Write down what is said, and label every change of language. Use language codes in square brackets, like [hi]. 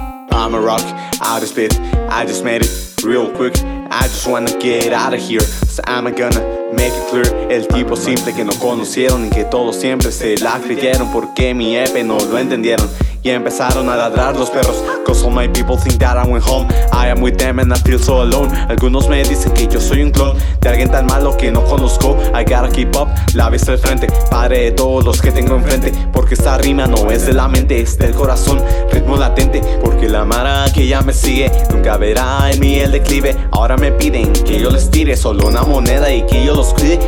[en] I'm a rock, out of spit, I just made it real quick. I just wanna get out of here, so I'm gonna make it clear. [es] El tipo simple que no conocieron y que todos siempre se la creyeron, porque mi EP no lo entendieron y empezaron a ladrar los perros. [en] Cause all my people think that I went home, I am with them and I feel so alone. [es] Algunos me dicen que yo soy un clon de alguien tan malo que no conozco. [en] I gotta keep up, [es] la vista al frente, padre de todos los que tengo enfrente. Porque esta rima no es de la mente, es del corazón, ritmo latente. Porque la mara que ya me sigue nunca verá en mí el declive. Ahora me piden que yo les tire solo una moneda y que yo los cuide.